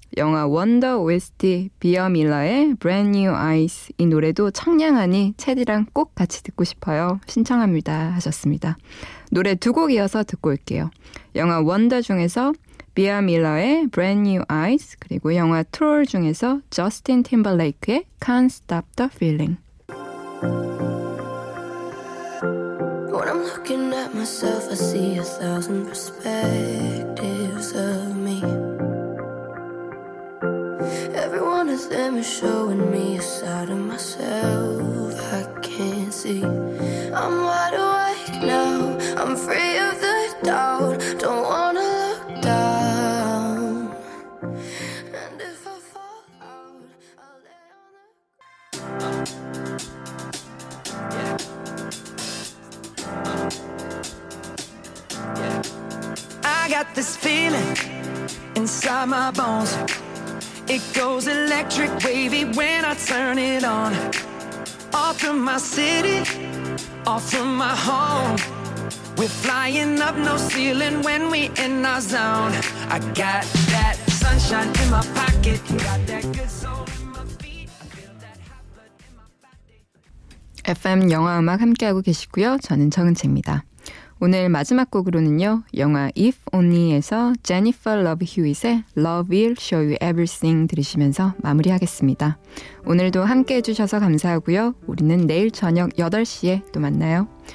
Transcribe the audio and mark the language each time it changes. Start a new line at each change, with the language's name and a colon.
Korean: 영화 원더 OST 비어 밀러의 Brand New Eyes 이 노래도 청량하니 체디랑 꼭 같이 듣고 싶어요. 신청합니다 하셨습니다. 노래 두 곡 이어서 듣고 올게요. 영화 원더 중에서 비어 밀러의 Brand New Eyes 그리고 영화 트롤 중에서 저스틴 팀벌레이크의 Can't Stop the Feeling.
English: Looking at myself, I see a thousand perspectives of me. Everyone is them is showing me a side of myself I can't see. I'm wide awake now, I'm free of the doubt. Don't wanna look down. And if I fall out, I'll lay on the ground. I got this feeling inside my bones. It goes electric wavy when I turn it on. Off from my city, off from my home. We're flying up no ceiling when we in our zone. I got that sunshine in my pocket. Got that good soul.
Korean: FM 영화음악 함께하고 계시고요. 저는 정은채입니다. 오늘 마지막 곡으로는요. 영화 If Only에서 제니퍼 러브 휴잇의 Love Will Show You Everything 들으시면서 마무리하겠습니다. 오늘도 함께해 주셔서 감사하고요. 우리는 내일 저녁 8시에 또 만나요.